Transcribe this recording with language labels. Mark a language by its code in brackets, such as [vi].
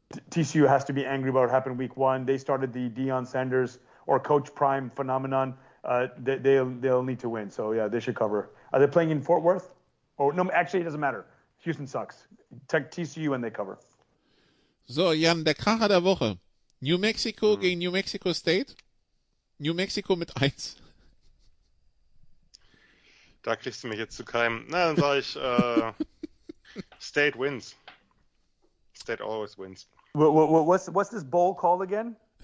[en] TCU has to be angry about what happened week one. They started the Deion Sanders or Coach Prime phenomenon. They'll need to win. So, yeah, they should cover. Are they playing in Fort Worth? No, actually, it doesn't matter. Houston sucks. TCU and they cover. [de] So, Jan, der Kracher der Woche. New Mexico gegen New Mexico State. New Mexico mit 1. Da kriegst du mich jetzt zu keinem. Na, dann sage ich [en] State wins. State always wins. What's this bowl called again?